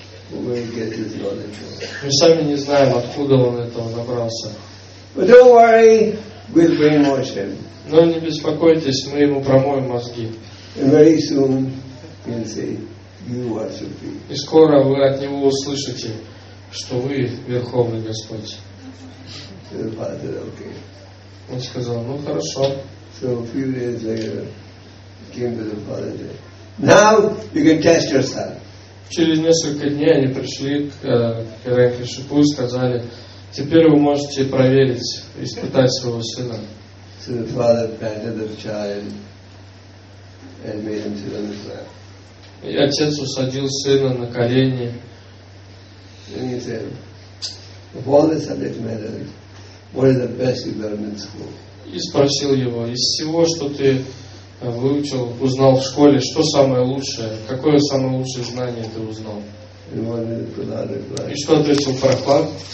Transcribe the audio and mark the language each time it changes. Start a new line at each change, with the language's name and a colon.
Russian: Мы сами не знаем, откуда он этого набрался.
English: But don't worry, we'll brainwash him.
Russian: Но не беспокойтесь, мы ему промоем мозги.
English: And very soon he'll say, you are supreme.
Russian: И скоро вы от него услышите, что вы Верховный Господь.
English: So the father, okay.
Russian: Он сказал, ну хорошо.
English: So a few days later, he came to the father there. Now you can test your son.
Russian: Через несколько дней они пришли к Хиранякашипу и сказали, теперь вы можете проверить, испытать своего сына.
English: So the father patted the child and made him sit on his lap.
Russian: И отец усадил сына на колени.
English: And he said, of all the subject matters, what is the best you learned in school?
Russian: И спросил его, из всего, что ты выучил, узнал в школе, что самое лучшее, какое самое лучшее знание ты узнал? И что ответил Прохлад?